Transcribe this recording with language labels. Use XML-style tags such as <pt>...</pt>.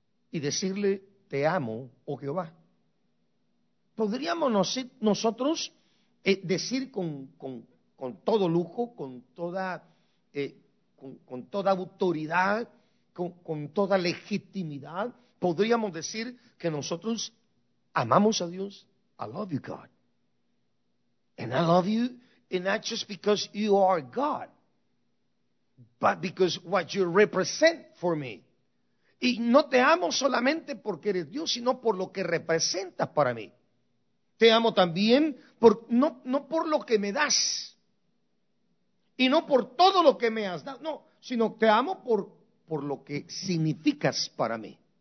<es>Y decirle, te amo, oh Jehová. ¿Podríamos nosotros decir con todo lujo, con toda autoridad, con toda legitimidad, podríamos decir que nosotros amamos a Dios?</es> <en>I love you, God. And I love you, and not just because you are God, but because what you represent for me.</en> <es>Y no te amo solamente porque eres Dios, sino por lo que representas para mí. Te amo también no por lo que me das y no por todo lo que me has dado, no, sino te amo por lo que significas para mí.</es>